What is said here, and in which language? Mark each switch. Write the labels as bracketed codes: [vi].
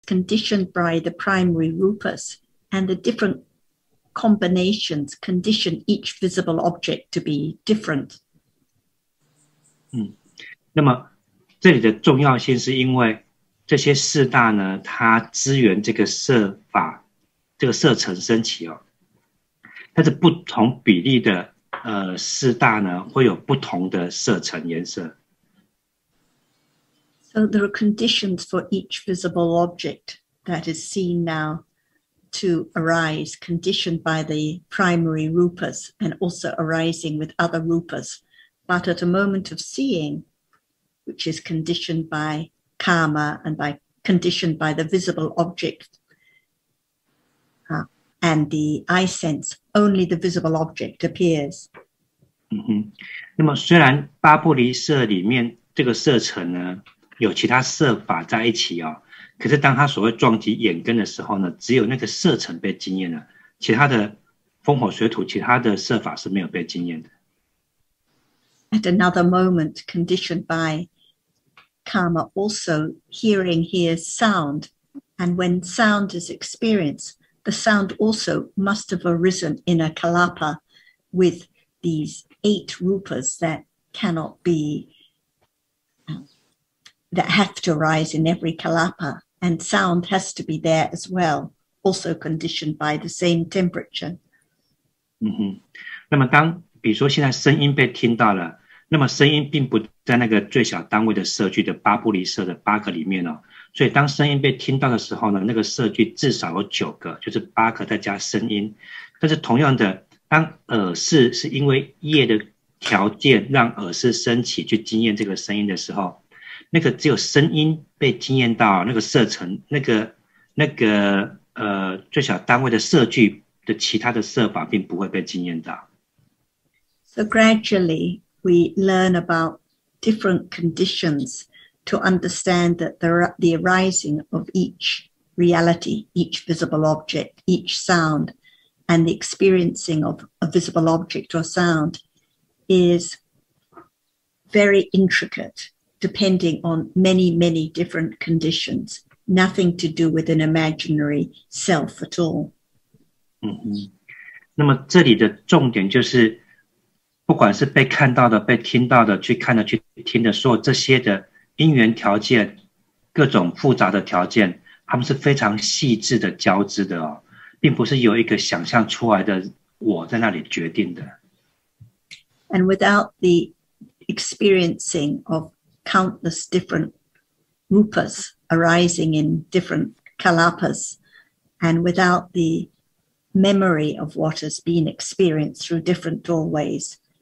[en] conditioned by the primary rupus, and the different combinations condition each visible object to be different. [zh] 那么这里的重要性是因为这些四大呢，它支援这个色法，这个色尘升起哦，它是不同比例的四大呢，会有不同的色尘颜色。 [en] So there are conditions for each visible object that is seen now to arise, conditioned by the primary rupas and also arising with other rupas. But at a moment of seeing, which is conditioned by karma and by conditioned by the visible object and the eye sense, only the visible object appears. [zh] 那么虽然八不离色里面这个色尘呢有其他色法在一起哦，可是当它所谓撞击眼根的时候呢，只有那个色尘被惊艳了，其他的风火水土，其他的色法是没有被惊艳的。 [en] At another moment, conditioned by karma, also hearing hears sound, and when sound is experienced, the sound also must have arisen in a kalapa with these eight rupas that cannot be, that have to arise in every kalapa, and sound has to be there as well, also conditioned by the same temperature. [zh] 那么当比如说现在声音被听到了，那么声音并不在那个最小单位的色聚的八不离色的八个里面哦，所以当声音被听到的时候呢，那个色聚至少有九个，就是八个再加声音。但是同样的，当耳识是因为业的条件让耳识升起去惊艳这个声音的时候，那个只有声音被惊艳到那个色尘，那个最小单位的色聚的其他的色法并不会被惊艳到。 [en] So gradually. We learn about different conditions to understand that the arising of each reality, each visible object, each sound, and the experiencing of a visible object or sound is very intricate, depending on many, many different conditions, nothing to do with an imaginary self at all. [zh] 那么这里的重点就是不管是被看到的、被听到的、去看的、去听的，所有这些的因缘条件、各种复杂的条件，他们是非常细致的交织的哦，并不是由一个想象出来的我在那里决定的。 [en] And without the experiencing of countless different rupas arising in different kalapas, and without the memory of what has been experienced through different doorways.